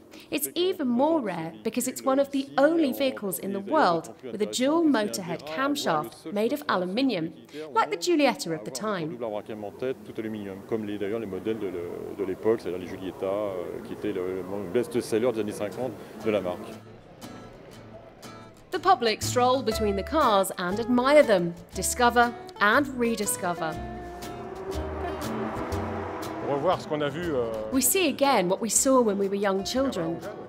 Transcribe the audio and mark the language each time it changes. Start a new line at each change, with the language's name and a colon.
English: It's even more rare because it's one of the only vehicles in the world with a dual motorhead camshaft made of aluminium, like the Giulietta of the time.
French: D'ailleurs, les modèles de l'époque, c'est-à-dire les Giulietta, qui était le best-seller des années 50 de la marque.
English: The public stroll between the cars and admire them, discover and rediscover.
French: Revoir ce qu'on a vu,
English: we see again what we saw when we were young children.